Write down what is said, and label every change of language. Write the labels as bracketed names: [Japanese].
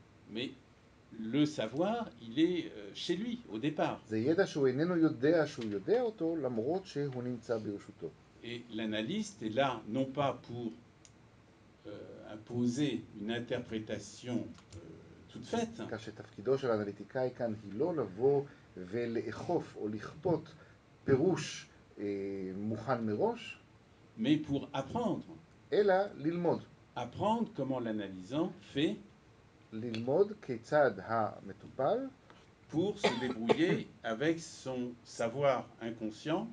[French] Mais le savoir, il est chez lui, au départ. Et l'analyste est là, non pas pour imposer une interprétation toute faite. [Hebrew] כך שתפקידו של האנליטיקאי כאן היא לא לבוא ולאכוף או לכפות פירוש מוכן מראש, [French] mais pour apprendre. [Hebrew] אלא ללמוד. [French] Apprendre comment l'analysant fait. [Hebrew] ללמוד כיצד המטופל [French] pour se débrouiller avec son savoir inconscient.